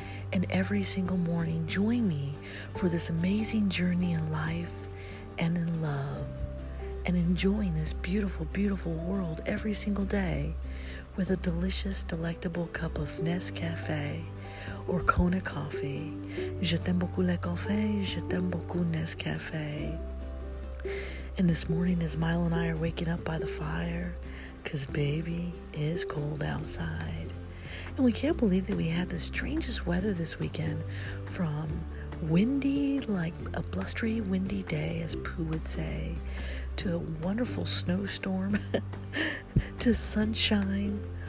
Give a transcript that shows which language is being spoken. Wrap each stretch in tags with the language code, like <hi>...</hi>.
<en>And every single morning, join me for this amazing journey in life and in love, and enjoying this beautiful, beautiful world every single day with a delicious, delectable cup of Nescafé or Kona coffee.</en> <fr>Je t'aime beaucoup le café, je t'aime beaucoup Nescafé.</fr> <en>And this morning, as Milo and I are waking up by the fire, because baby, it's cold outside. And we can't believe that we had the strangest weather this weekend, from windy, like a blustery, windy day, as Pooh would say, to a wonderful snowstorm, to sunshine.</en>